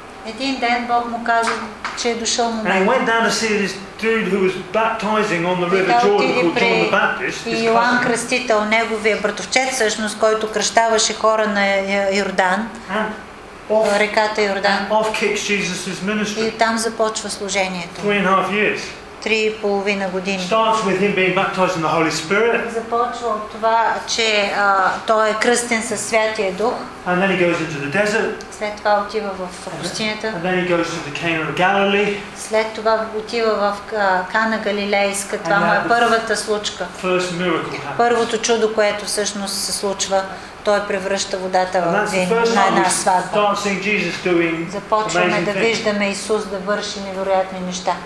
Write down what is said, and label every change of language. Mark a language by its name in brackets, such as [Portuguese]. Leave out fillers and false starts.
[Bulgarian] Един ден Бог му каза, че е дошъл момент. [English] And he went down to see this dude who was baptizing on the river Jordan, called John the Baptist. [Bulgarian] И Йоан Кръстител, неговия братовчет всъщност, който кръщаваше хора на Йордан, реката Йордан. [English] Off kicks Jesus's ministry. [Bulgarian] И там започва служението. [English] 3.5 years. [Bulgarian] 3.5 години. [English] Starts with him being baptized in the Holy Spirit. [Bulgarian] Започва от това, че той е кръстен със Святия Дух. [English] And then he goes into the desert. [Bulgarian] След това отива в пустинята. [English] And then he goes to the Cana of Galilee. [Bulgarian] След това отива в Кана Галилейска. Това му е първата случка. [English] First miracle happens. [Bulgarian] Първото чудо, което всъщност се случва. Той превръща водата в вин на една сватба. Започваме да виждаме Исус да върши невероятни неща.